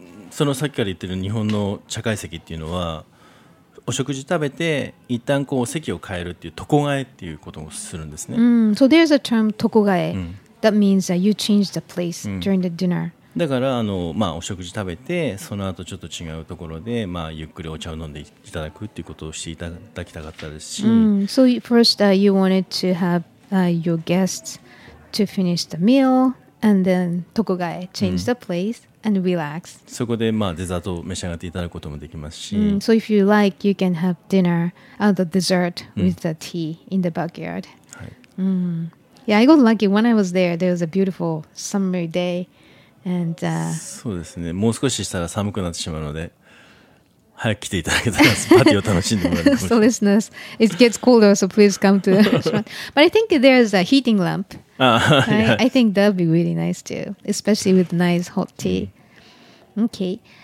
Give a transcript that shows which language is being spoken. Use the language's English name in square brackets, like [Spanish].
[Japanese] そのさっきから言ってる日本の茶会席っていうのは、お食事食べて一旦こう席を変えるっていう床替えっていうことをするんですね。 [English] So there's a term 床替え。 That means that you change the place during the dinner. [Japanese] だからお食事食べてその後ちょっと違うところでゆっくりお茶を飲んでいただくっていうことをしていただきたかったですし。 [English] So first, you wanted to have your guests to finish the meal and then tokugae, change the place and relax. [Japanese] そこでデザートを召し上がっていただくこともできますし。 [English] So if you like, you can have dinner and the dessert with the tea in the backyard. [Japanese] はい。 [English] Yeah, I got lucky. When I was there, there was a beautiful summer day. And, [Japanese] そうですね。もう少ししたら寒くなってしまうので、早く来ていただけたら、パティを楽しんでもらえる。 [English] So listeners, it gets colder, so please come to the restaurant. But I think there's a heating lamp. I think that'd be really nice too, especially with nice hot tea. Okay.